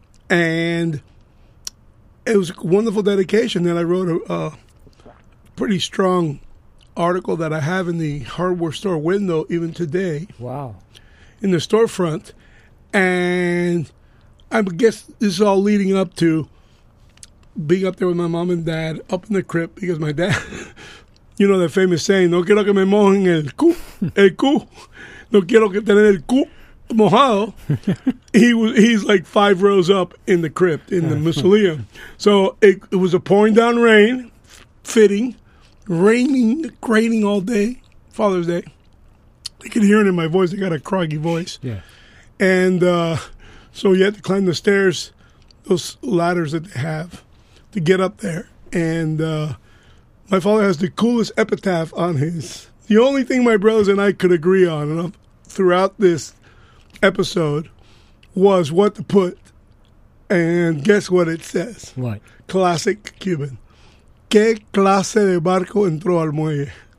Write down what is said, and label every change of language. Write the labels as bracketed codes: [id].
[en] And it was a wonderful dedication that I wrote a pretty strong article that I have in the hardware store window even today. Wow. In the storefront. And I guess this is all leading up to being up there with my mom and dad up in the crypt because my dad, you know that famous saying, [es] no quiero que me mojen el cu. No quiero que tener el cu mojado. [en] He's like five rows up in the crypt, in the mausoleum. So it was a pouring down rain, fitting, raining all day, Father's Day. You can hear it in my voice. I got a croggy voice. Yeah. And so you had to climb the stairs, those ladders that they have, to get up there. And my father has the coolest epitaph on his. The only thing my brothers and I could agree on throughout this episode was what to put. And guess what it says? What? Classic Cuban. [es] ¿Qué clase de barco entró al muelle?